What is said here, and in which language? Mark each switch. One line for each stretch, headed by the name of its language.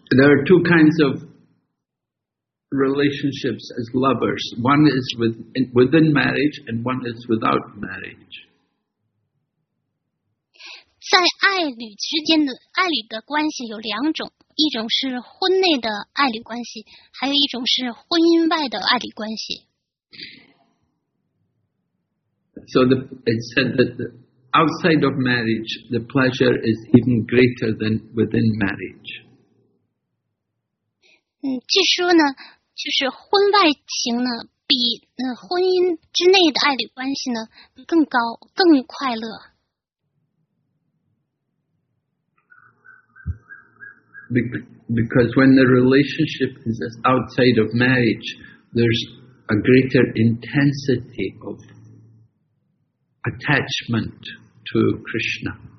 English: are two kinds of relationships as lovers. One is within marriage, and one is without marriage.
Chinese: 在爱侣之间的爱侣的关系有两种。一种是婚内的爱侣关系，还有一种是婚姻外的爱侣关系。
English: So it said that outside of marriage, the pleasure is even greater than within marriage.
Chinese: 据说呢，就是婚外情呢，比婚姻之内的爱侣关系呢更高，更快乐。
English: Because when the relationship is outside of marriage, there's a greater intensity of attachment to Krishna.